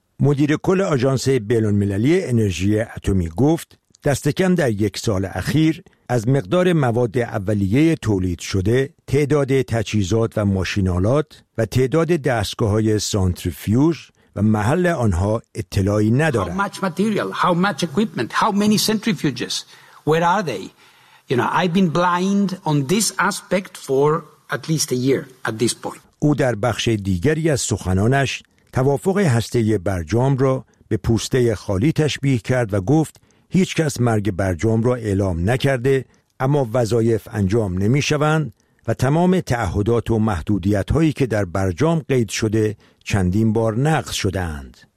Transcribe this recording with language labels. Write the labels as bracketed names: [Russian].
[Persian] مدیر کل آژانس بین‌المللی انرژی اتمی گفت دست کم در یک سال اخیر از مقدار مواد اولیه تولید شده، تعداد تجهیزات و ماشین‌آلات و تعداد دستگاه‌های سانتریفیوژ و محل آنها اطلاعی ندارد. [English] How much material? How much equipment? How many centrifuges? Where are they? You know, I've been blind on this aspect for at least a year at this point. [Persian] او در بخش دیگری از سخنانش توافق هسته برجام را به پوسته خالی تشبیه کرد و گفت هیچ کس مرگ برجام را اعلام نکرده، اما وظایف انجام نمی شوند و تمام تعهدات و محدودیت هایی که در برجام قید شده چندین بار نقض شدند.